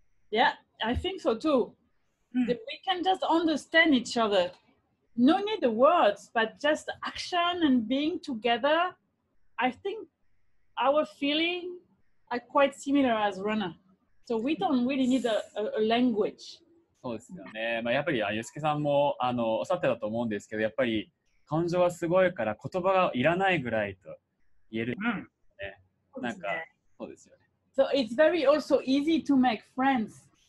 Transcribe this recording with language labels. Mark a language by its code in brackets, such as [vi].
[en] Yeah, I think so too.、Mm. We can just understand each other. No need the words, but just action and being together. I think our feelings are quite similar as runner. So we don't really need a language. [ja] そうですよね。まあ、やっぱり、ユースケさんもおっしゃってたと思うんですけど、やっぱり感情はすごいから言葉がいらないぐらいと言える、ね。うん。なんか、そうですよね。 [en] So it's very also easy to make friends.